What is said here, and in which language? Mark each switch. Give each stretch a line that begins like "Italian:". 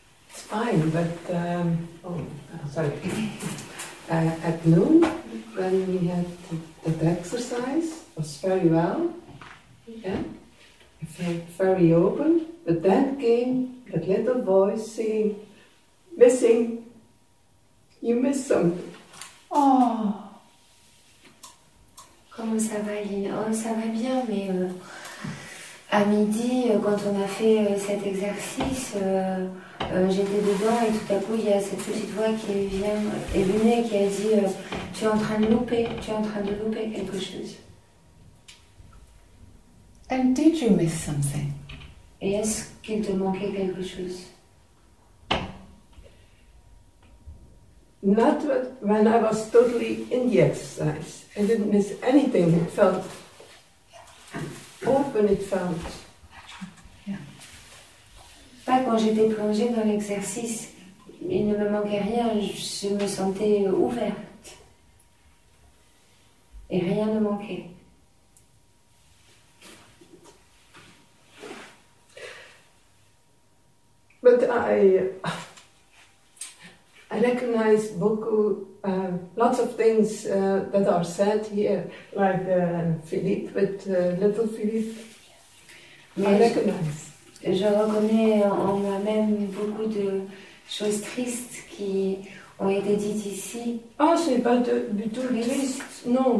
English: It's fine, but at noon when we had the exercise, it was very well. Yeah, I felt very open, but then came that little voice saying, "Missing, you missed something." Oh,
French: comment ça va, Lynn? Oh, ça va bien, mais à midi, quand on a fait cet exercice, j'étais dedans et tout à coup, il y a cette petite voix qui est venue et qui a dit, "Tu es en train de louper, tu es en train de louper quelque chose."
English: And did you miss something?
French: Et est-ce qu'il te manquait quelque chose?
English: Not when I was totally in the exercise. I didn't miss anything. It felt open, it felt. Yeah.
French: Pas quand j'étais plongée dans l'exercice, il ne me manquait rien, je me sentais ouverte. Et rien ne manquait.
English: But I recognize lots of things that are said here, like Philippe, with little Philippe. Mais I recognize.
French: Je reconnais en moi-même beaucoup de choses tristes qui ont été dites ici. Ah, ce n'est pas du tout triste, non.